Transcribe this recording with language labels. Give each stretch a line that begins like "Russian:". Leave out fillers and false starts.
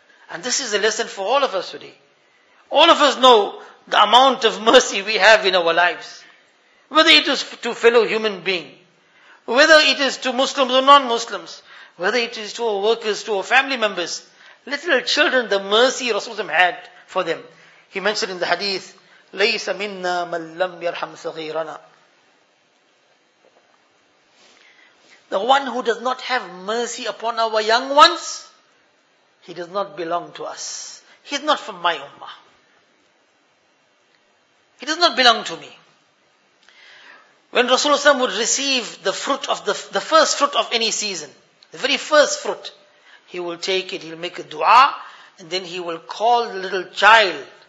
English: And this is a lesson for all of us today. All of us know the amount of mercy we have in our lives. Whether it is to fellow human being, whether it is to Muslims or non-Muslims, whether it is to our workers, to our family members, little children, the mercy Rasulullah had for them. He mentioned in the hadith,
Arabic: لَيْسَ مِنَّا مَنْ لَمْ يَرْحَمْ صَغِيرَنَا.
English: The one who does not have mercy upon our young ones, he does not belong to us. He is not from my ummah. He does not belong to me. When Rasulullah would receive the fruit of the first fruit of any season, the very first fruit, he will take it, he'll make a dua, and then he will call the little child.